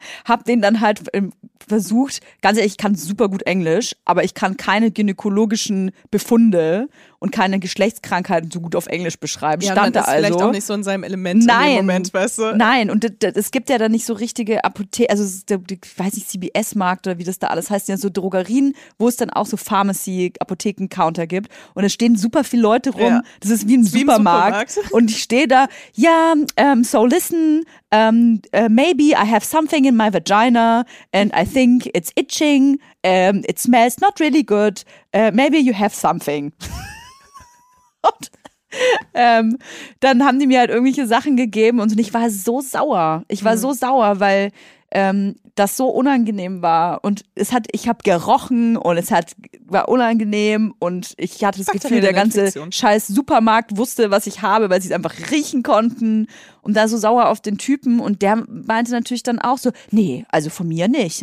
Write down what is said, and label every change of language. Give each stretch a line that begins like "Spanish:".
German: Hab den dann halt versucht. Ganz ehrlich, ich kann super gut Englisch, aber ich kann keine gynäkologischen Befunde und keine Geschlechtskrankheiten so gut auf Englisch beschreiben. Ja, stand man ist da also. Vielleicht auch nicht so in seinem Element. Nein. In dem Moment, weißt du? Nein, und es gibt ja da nicht so richtige Apotheken, also ich weiß nicht, CBS-Markt oder wie das da alles heißt, ja so Drogerien, wo es dann auch so Pharmacy-Apotheken-Counter gibt und da stehen super viele Leute rum, ja. Das ist wie ein Supermarkt. Und ich stehe da, ja, so
English: listen, maybe I have something in my vagina and I think it's itching, it smells not really good, maybe you have something.
German: dann haben die mir halt irgendwelche Sachen gegeben und ich war so sauer. Ich war so sauer, weil das so unangenehm war und ich habe gerochen und war unangenehm und ich hatte das Gefühl, der ganze scheiß Supermarkt wusste, was ich habe, weil sie es einfach riechen konnten und da so sauer auf den Typen und der meinte natürlich dann auch so, nee, also von mir nicht.